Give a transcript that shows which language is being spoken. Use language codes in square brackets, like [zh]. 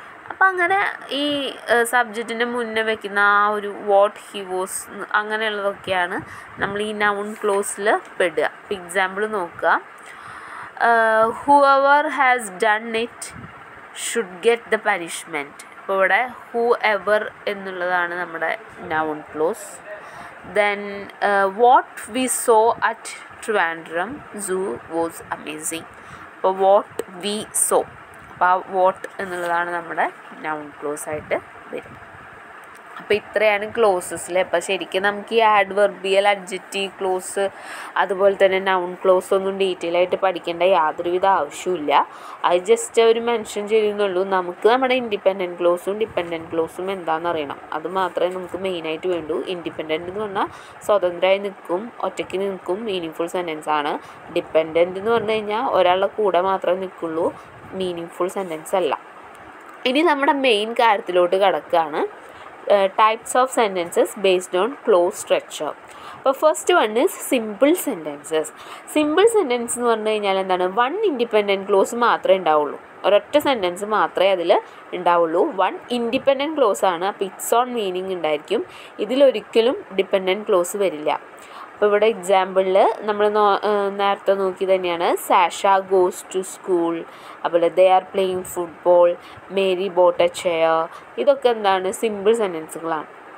[ml] അപ്പം അങ്ങനെ ഈ സബ്ജക്റ്റിൻ്റെ മുന്നേ വയ്ക്കുന്ന ആ ഒരു [en] what he was [ml] അങ്ങനെയുള്ളതൊക്കെയാണ് നമ്മൾ ഈ നൗൺ ക്ലോസിൽ പെടുക. അപ്പം എക്സാമ്പിൾ നോക്കുക. [en] Whoever has done it should get the punishment. [ml] ഇപ്പോൾ ഇവിടെ ഹൂഎവർ എന്നുള്ളതാണ് നമ്മുടെ noun close. [en] Then what we saw at Trivandrum zoo was amazing. [ml] അപ്പോൾ [en] what we saw, [ml] അപ്പോൾ ആ വാട്ട് എന്നുള്ളതാണ് നമ്മുടെ നൗൺ ക്ലോസ് ആയിട്ട് വരും. അപ്പോൾ ഇത്രയാണ് ക്ലോസസിൽ. അപ്പോൾ ശരിക്കും നമുക്ക് ഈ ആഡ്വെർബിയൽ, അഡ്ജക്റ്റീവ് ക്ലോസ്, അതുപോലെ തന്നെ നൗൺ ക്ലോസ് ഒന്നും ഡീറ്റെയിൽ ആയിട്ട് പഠിക്കേണ്ട യാതൊരുവിധ ആവശ്യമില്ല. അത് ജസ്റ്റ് അവർ മെൻഷൻ ചെയ്യുന്നുള്ളൂ നമുക്ക് നമ്മുടെ ഇൻഡിപെൻഡൻറ്റ് ക്ലോസും ഡിപ്പെൻഡൻറ്റ് ക്ലോസും എന്താണെന്ന് അറിയണം. അത് മാത്രമേ നമുക്ക് മെയിനായിട്ട് വേണ്ടൂ. ഇൻഡിപെൻഡൻറ്റ് എന്ന് പറഞ്ഞാൽ സ്വതന്ത്രമായി നിൽക്കും, ഒറ്റയ്ക്ക് നിൽക്കും, മീനിങ് ഫുൾ സെൻറ്റൻസ് ആണ്. ഡിപ്പെൻഡൻറ്റ് എന്ന് പറഞ്ഞു കഴിഞ്ഞാൽ ഒരാളുടെ കൂടെ മാത്രമേ നിൽക്കുള്ളൂ, മീനിങ് ഫുൾ സെൻറ്റൻസ് അല്ല. ഇനി നമ്മുടെ മെയിൻ കാര്യത്തിലോട്ട് കടക്കുകയാണ്. [en] types of sentences based on clause structure. [ml] അപ്പോൾ first one is simple sentences. Simple sentence എന്ന് പറഞ്ഞു കഴിഞ്ഞാൽ എന്താണ്, വൺ ഇൻഡിപെൻഡൻറ്റ് ക്ലോസ് മാത്രമേ ഉണ്ടാവുള്ളൂ, ഒരൊറ്റ സെൻറ്റൻസ് മാത്രമേ അതിൽ ഉണ്ടാവുള്ളൂ. വൺ ഇൻഡിപെൻഡൻറ്റ് ക്ലോസ് ആണ്, അപ്പോൾ ഇറ്റ്സ് ഓൺ മീനിങ് ഉണ്ടായിരിക്കും. ഇതിലൊരിക്കലും ഡിപെൻഡൻറ്റ് ക്ലോസ് വരില്ല. അപ്പോൾ ഇവിടെ എക്സാമ്പിളിൽ നമ്മൾ നേരത്തെ നോക്കി തന്നെയാണ്, [en] Sasha goes to school, [ml] അതുപോലെ [en] they are playing football, Mary bought a chair, [ml] ഇതൊക്കെ എന്താണ്, സിമ്പിൾ സെൻറ്റൻസുകളാണ്.